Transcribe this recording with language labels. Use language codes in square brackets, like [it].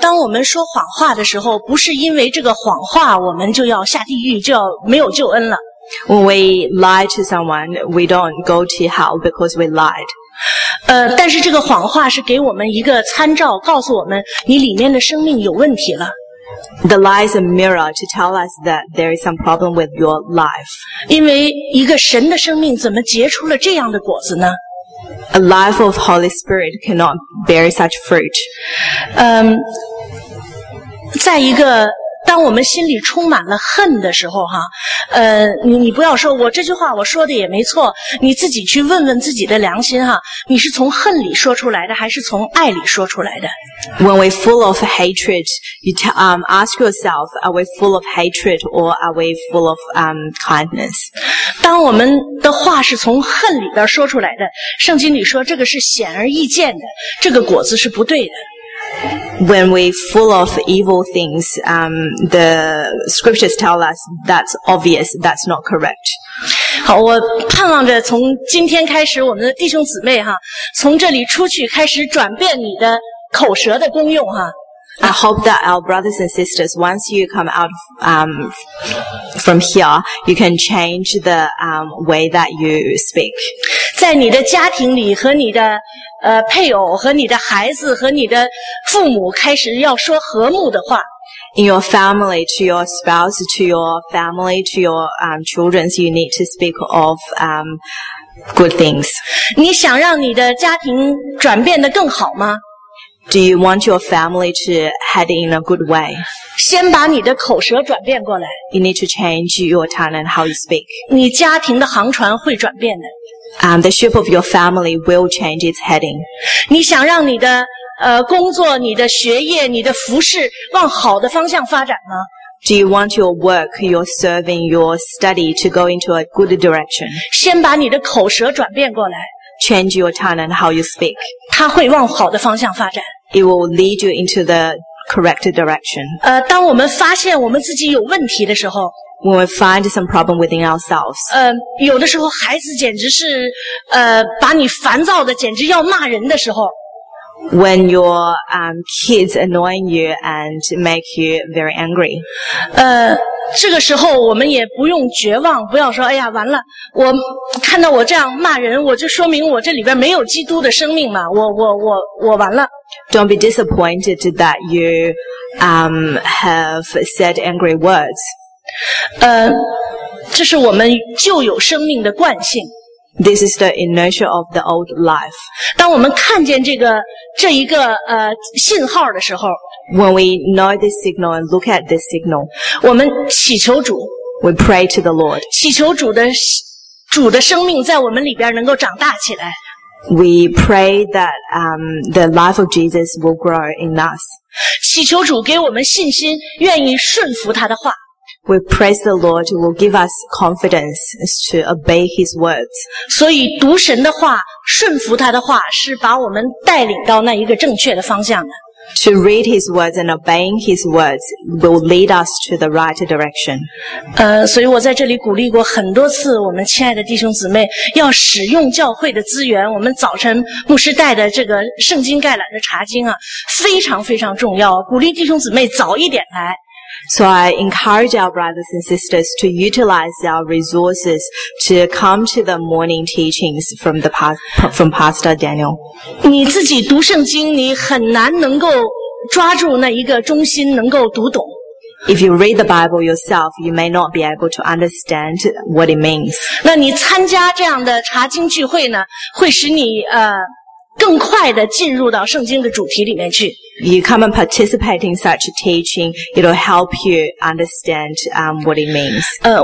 [zh] 当我们说谎话的时候，不是因为这个谎话，我们就要下地狱，就要没有救恩了。 [en] When we lie to someone, we don't go to hell because we lied. [zh] 但是这个谎话是给我们一个参照，告诉我们你里面的生命有问题了。 [en] The lie is a mirror to tell us that there is some problem with your life. [zh] 因为一个神的生命怎么结出了这样的果子呢？ [en] A life of Holy Spirit cannot bear such fruit. [zh] 在一个当我们心里充满了恨的时候哈，你不要说我这句话我说的也没错，你自己去问问自己的良心哈，你是从恨里说出来的还是从爱里说出来的 [en] ？When we're full of hatred, you ask yourself, are we full of hatred or are we full of kindness? [zh] 当我们的话是从恨里边说出来的，圣经里说这个是显而易见的，这个果子是不对的。 [en] When we're full of evil things, the scriptures tell us that's obvious, that's not correct. [zh] 好，我盼望着从今天开始，我们的弟兄姊妹哈，从这里出去开始转变你的口舌的功用哈。 [en] I hope that our brothers and sisters, once you come out from here, you can change the way that you speak. [zh] 在你的家庭里和你的配偶和你的孩子和你的父母开始要说和睦的话。 [en] In your family, to your spouse, to your family, to your children, you need to speak of good things. [zh] 你想让你的家庭转变得更好吗？ [en] Do you want your family to head in a good way? [zh] 先把你的口舌转变过来。 [en] You need to change your tone and how you speak. [zh] 你家庭的航船会转变的。 [en] The ship of your family will change its heading. [zh] 你想让你的工作、你的学业、你的服饰往好的方向发展吗？ [en] Do you want your work, your serving, your study to go into a good direction? [zh] 先把你的口舌转变过来。 [en] Change your tone and how you speak. [zh] 它会往好的方向发展。 [en] It will lead you into the correct direction. [zh] 当我们发现我们自己有问题的时候。 [en] When we find some problem within ourselves. [zh] 有的时候孩子简直是把你烦躁的简直要骂人的时候。 [en] when your kids annoying you and make you very angry. [zh] 这个时候我们也不用绝望，不要说哎呀完了，我看到我这样骂人，我就说明我这里边没有基督的生命嘛，我完了。 [en] Don't be disappointed that you have said angry words. [zh] 这是我们旧有生命的惯性。 [en] This is the inertia of the old life. [zh] 当我们看见这一个信号的时候， [en] When we know this signal and look at this signal, [zh] 我们祈求主， [en] We pray to the Lord. [zh] 祈求主的生命在我们里边能够长大起来。 [en] We pray that the life of Jesus will grow in us. [zh] 祈求主给我们信心，愿意顺服他的话。 [en] We praise the Lord who will give us confidence to obey His words. [zh] 所以读神的话，顺服他的话，是把我们带领到那一个正确的方向的。 [en] To read His words and obeying His words will lead us to the right direction. [zh] 所以我在这里鼓励过很多次，我们亲爱的弟兄姊妹，要使用教会的资源。我们早晨牧师带的这个圣经概览的查经啊，非常非常重要。鼓励弟兄姊妹早一点来。 [en] So I encourage our brothers and sisters to utilize our resources to come to the morning teachings from Pastor Daniel. [zh] 你自己读圣经，你很难能够抓住那一个中心，能够读懂。 [en] If you read the Bible yourself, you may not be able to understand what it means. [zh] 那你参加这样的查经聚会呢，会使你更快地进入到圣经的主题里面去。 [en] You come and participate in such a teaching, it'll help you understand what it means.